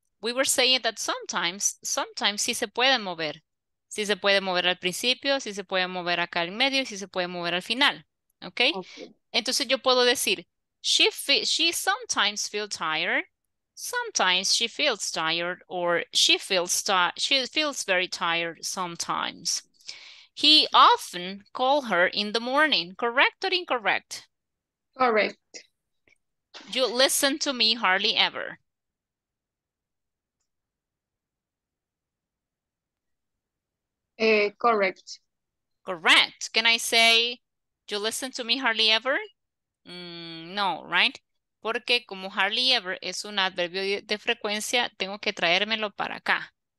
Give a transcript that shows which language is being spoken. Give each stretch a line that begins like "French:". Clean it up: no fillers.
English: we were saying that sometimes
Spanish: sí se puede mover. Sí se puede mover al principio, sí se puede mover acá al medio, sí se puede mover al final.
English: Okay? Okay.
Spanish: Entonces yo puedo decir,
English: she sometimes feels tired, sometimes she feels tired, or she feels very tired sometimes. He often calls her in the morning. Correct or incorrect? Correct. You listen to me hardly ever. Correct. Correct. Can I say, you listen to me hardly ever? No, right?
Spanish: Porque como hardly ever es un adverbio de frecuencia, tengo que traérmelo para acá.